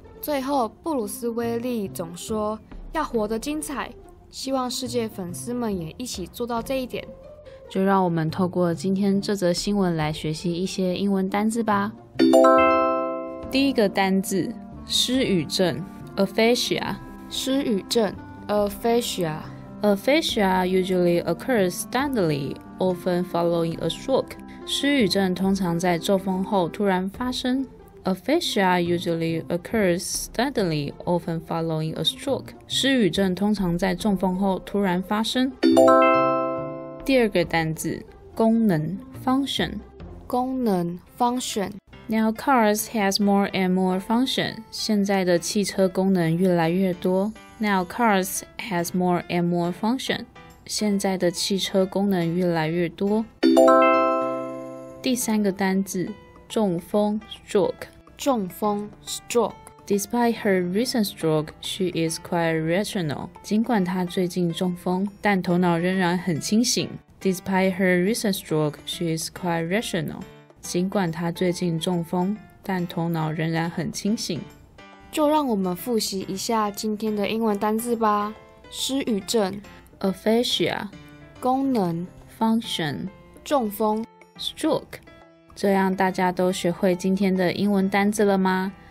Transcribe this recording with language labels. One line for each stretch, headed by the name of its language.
Chinese: 最后，布鲁斯·威利总说，要活得精彩，希望世界粉丝们也一起做到这一点。就让我们透过今天这则新闻来学习一些英文单字吧。第一个单字，失语症 ，aphasia。失语症 ，aphasia。
English: Aphasia usually occurs suddenly, often following a stroke.
Chinese: 失语症通常在中风后突然发生。
English: Aphasia usually occurs suddenly, often following a stroke.
Chinese: 失语症通常在中风后突然发生。第二个单字，功能 ，function。功能 ，function。
English: Now cars has more and more function.
Chinese: 现在的汽车功能越来越多。
English: Now cars has more and more function.
Chinese: 现在的汽车功能越来越多。第三个单字，中风 ，stroke。中风 ，stroke。
English: Despite her recent stroke, she is quite rational.
Chinese: 尽管她最近中风，但头脑仍然很清醒。
English: Despite her recent stroke, she is quite rational.
Chinese: 尽管她最近中风，但头脑仍然很清醒。就让我们复习一下今天的英文单字吧。失语症
English: ，aphasia，
Chinese: 功能
English: ，function，
Chinese: 中风
English: ，stroke。
Chinese: 这样大家都学会今天的英文单字了吗？